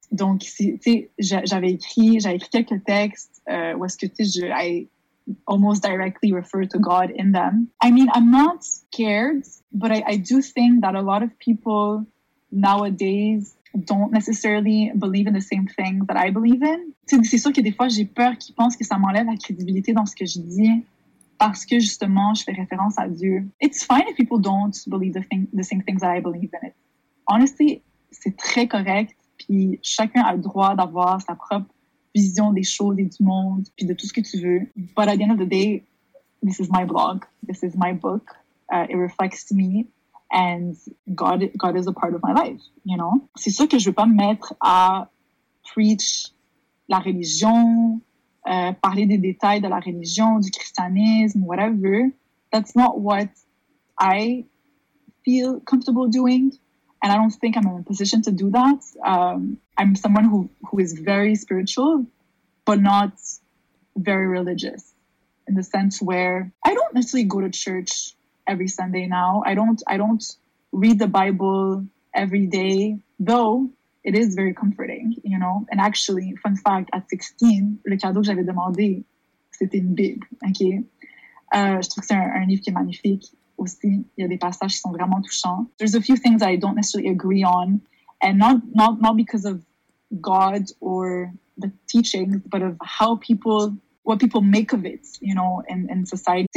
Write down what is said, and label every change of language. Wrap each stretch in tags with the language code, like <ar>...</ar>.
<fr>Donc, tu sais, j'avais écrit quelques textes où est-ce que, tu sais,</fr> <en>I almost directly refer to God in them. I mean, I'm not scared, but I do think that a lot of people nowadays don't necessarily believe in the same thing that I believe in.</en> <fr>Tu sais, c'est sûr que des fois, j'ai peur qu'ils pensent que ça m'enlève la crédibilité dans ce que je dis parce que, justement, je fais référence à Dieu.</fr> <en>It's fine if people don't believe the same things that I believe in it.</en> <fr>Honestly, c'est très correct, puis chacun a le droit d'avoir sa propre vision des choses et du monde, puis de tout ce que tu veux.</fr> <en>But at the end of the day, this is my blog, this is my book, it reflects me, and God is a part of my life, you know?</en> <fr>C'est sûr que je veux pas me mettre à preach la religion, parler des détails de la religion, du christianisme, whatever.</fr> <en>That's not what I feel comfortable doing. And I don't think I'm in a position to do that. I'm someone who is very spiritual, but not very religious, in the sense where I don't necessarily go to church every Sunday now. I don't read the Bible every day, though it is very comforting, you know. And actually, fun fact, at 16,</en> <fr>le cadeau que j'avais demandé, c'était une Bible, OK? Je trouve que c'est un livre qui est magnifique. Aussi, il y a des passages qui sont vraiment touchants.</fr> <en>There's a few things I don't necessarily agree on, and not because of God or the teachings, but of how people, what people make of it, you know, in society.</en>